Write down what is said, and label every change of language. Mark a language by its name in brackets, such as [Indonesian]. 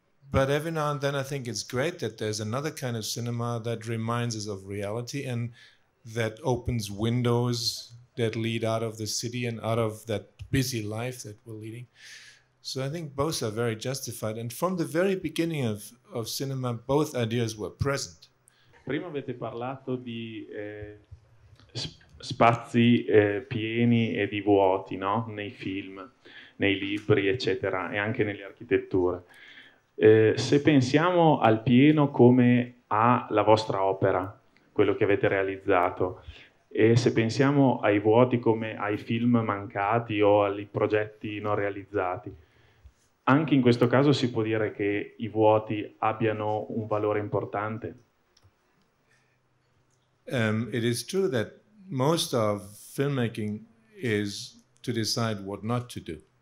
[English] But every now and then, I think it's great that there's another kind of cinema that reminds us of reality and that opens windows that lead out of the city and out of that busy life that we're leading. So I think both are very justified. And from the very beginning of cinema, both ideas were present. [Italian] Prima avete parlato di spazi pieni e di vuoti, no? Nei film, nei libri, eccetera, e anche nelle architetture. Se pensiamo al pieno come alla vostra opera, quello che avete realizzato, e se pensiamo ai vuoti come ai film mancati o ai progetti non realizzati, anche in questo caso si può dire che i vuoti abbiano un valore importante? [English] It is true that most of filmmaking is to decide what not to do.